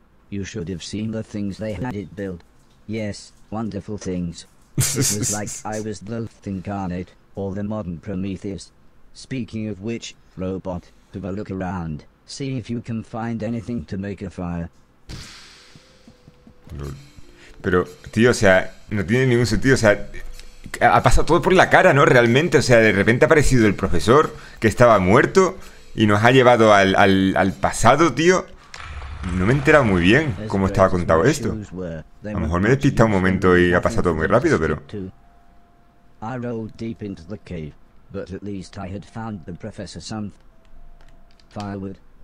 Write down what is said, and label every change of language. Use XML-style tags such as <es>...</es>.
<en>You should have seen the things they had it build. Yes, wonderful things. It was like I was Loth incarnate. Or the modern Prometheus. Speaking of which, robot, have a look around. See if you can find anything to make a fire.</en> <es>Pero, tío, o sea, no tiene ningún sentido. O sea, ha pasado todo por la cara, ¿no? Realmente, o sea, de repente ha aparecido el profesor que estaba muerto y nos ha llevado al pasado, tío. No me he enterado muy bien cómo estaba contado esto. A lo mejor me he despistado un momento y ha pasado todo muy rápido, pero...</es> <en>I rolled deep into the cave, but at least I had found the professor some firewood.</en>